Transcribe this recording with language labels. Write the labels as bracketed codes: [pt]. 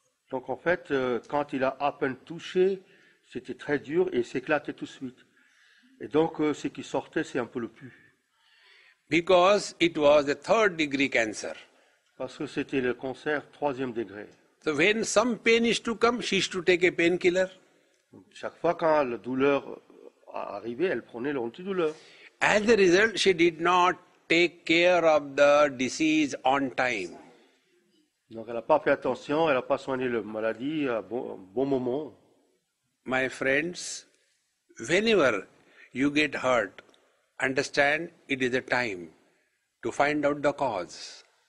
[fr] Donc, en fait, quand il a à peine touché, c'était très dur et s'éclatait tout de suite. Et donc, ce qui sortait, c'est un peu le pus. [en] Because it was the third degree cancer. [fr] Parce que c'était le cancer troisième degré. [en] So when some pain is to come, she is to take a painkiller. [fr] Chaque fois quand la douleur arrivait, elle prenait l'antidouleur. [en] As a result, she did not take care of the disease on time. [fr] Donc, elle n'a pas fait attention, elle n'a pas soigné la maladie à bon moment. [en] My friends, whenever you get hurt, understand it is a time to find out the cause.